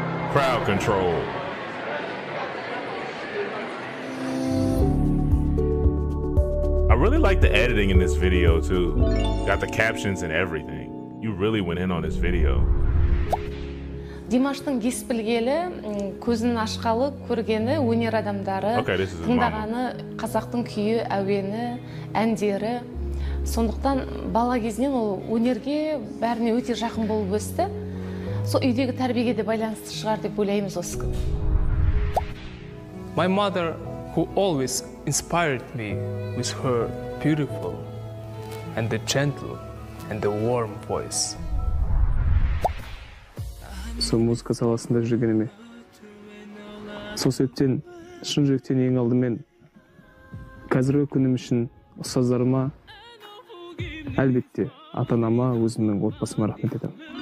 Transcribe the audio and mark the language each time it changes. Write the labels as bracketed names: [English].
[English] Crowd control. I really like the editing in this video too. Got the captions and everything. You really went in on this video. [Kazakh] Димаштың кеспілгелі, көзін ашқалы көргені өнер адамдары, тыңдағаны қазақтың күйі, әуені, әндері. Сондықтан бала кезінен ол өнерге бәріне өте жақын болып өсті. Сол үйдегі тәрбиеге де байланысты шығар деп ойлаймыз осы күн. [English] My mother, who always inspired me with her beautiful and the gentle and the warm voice. [Kazakh] Сол музыка саласында жүргеніме, сол себептен шын жүректен ең алдымен қазіргі күнім үшін ұстаздарыма, әлбетте ата-анама, өзімнің отбасыма рахмет айтамын.